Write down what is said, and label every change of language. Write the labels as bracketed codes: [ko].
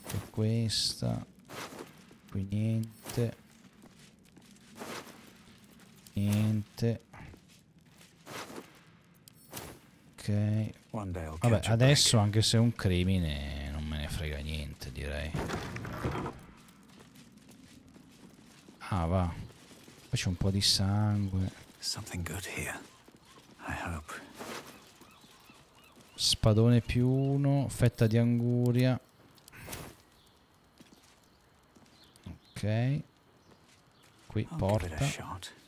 [it] Questa qui niente, niente. Ok, vabbè, adesso anche se è un crimine non me ne frega niente, direi. Ah, va, qua c'è un po' di sangue. [en] Something good here, I hope. [it] Spadone più uno, fetta di anguria. Ok, qui porta.